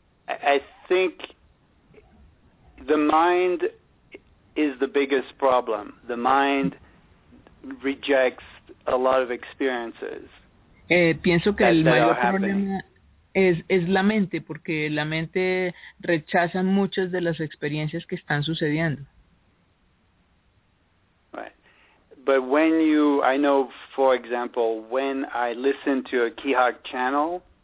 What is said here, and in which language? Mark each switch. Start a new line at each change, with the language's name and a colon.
English: I think the mind is the biggest problem. The mind rejects a lot of experiences.
Spanish: Pienso que el mayor problema es la mente, porque la mente rechaza muchas de las experiencias que están sucediendo.
English: Right. But when you, I know, for example, when I listen to a Quijac channel,